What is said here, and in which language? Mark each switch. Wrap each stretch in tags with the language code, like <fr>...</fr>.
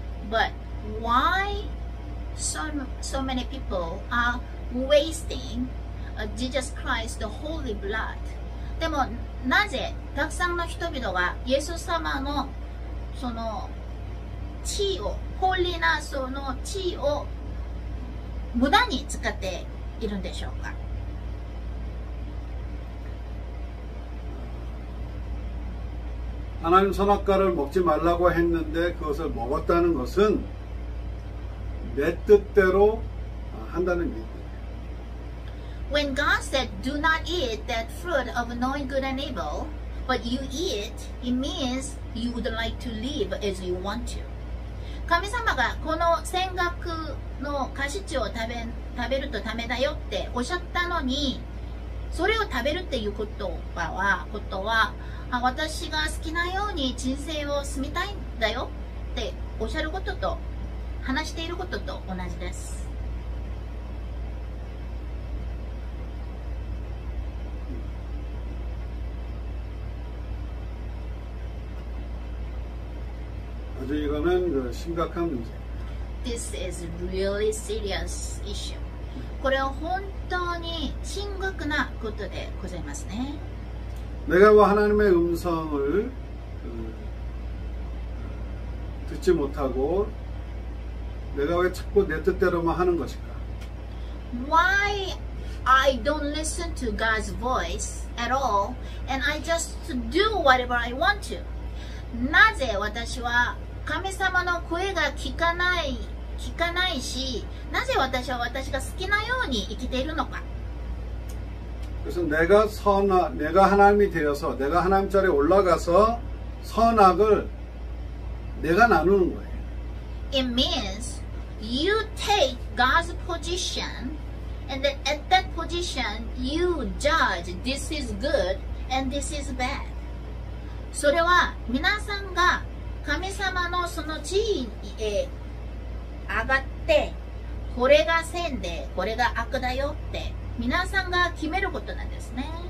<en>But why so many people are wasting Jesus Christ, the holy blood?</en> <ja>でもなぜたくさんの人々がイエス様のその血を、ホーリーナースの血を無駄に使っているんでしょうか?</ja> <ko>하나님선악과를먹지말라고했는데그것을먹었다는것은내뜻대로한다는얘기예요.</ko> <en>When God said, "Do not eat that fruit of knowing good and evil," but you eat, it means you would like to live as you want to.</en> <ja>神様がこの千学の果実を食べるとダメだよっておっしゃったのに、それを食べるっていうことは。私が好きなように人生を住みたいんだよっておっしゃることと話していることと同じです。</ja> <ko>あと、이거는심각한문제。</ko> <en>This is really serious issue.</en> <ja>これは本当に深刻なことでございますね。</ja> <ko>내가하나님의음성을듣지못하고내가왜자꾸내뜻대로만하는것일까?</ko> <en>Why I don't listen to God's voice at all and I just do whatever I want to?</en> <ja>나제私は神様の声が聞かないし나제私は私が好きなように生きているのか?</ja> <ko>그래서내가하나님이되어서내가하나님자리에올라가서선악을내가나누는거예요.</ko> <en>It means you take God's position and then at that position you judge this is good and this is bad.</en> <ja>それは皆さんが神様のその地位へ上がってこれが善でこれが悪だよって皆さんが決めることなんですね。</ja>